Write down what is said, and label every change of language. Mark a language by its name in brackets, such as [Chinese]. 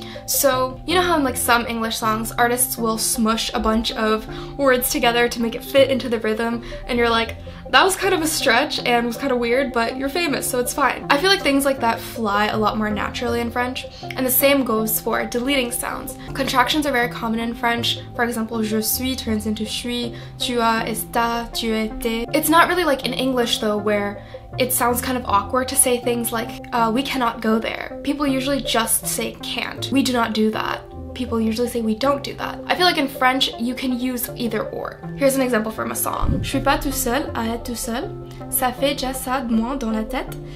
[English] So, you know how in like some English songs, artists will smush a bunch of words together to make it fit into the rhythm, and you're like, that was kind of a stretch and was kind of weird, but you're famous, so it's fine. I feel like things like that fly a lot more naturally in French, and the same goes for deleting sounds. Contractions are very common in French. For example, [French] je suis [English] turns into suis, [French] tu as, es ta, tu étais. [English] It's not really like in English though, where it sounds kind of awkward to say things like, we cannot go there. People usually just say can't. We do not do that. People usually say we don't do that. I feel like in French, you can use either or. Here's an example from a song. [French] Je suis pas tout seul à être tout seul. Ça fait déjà ça de moins dans la tête.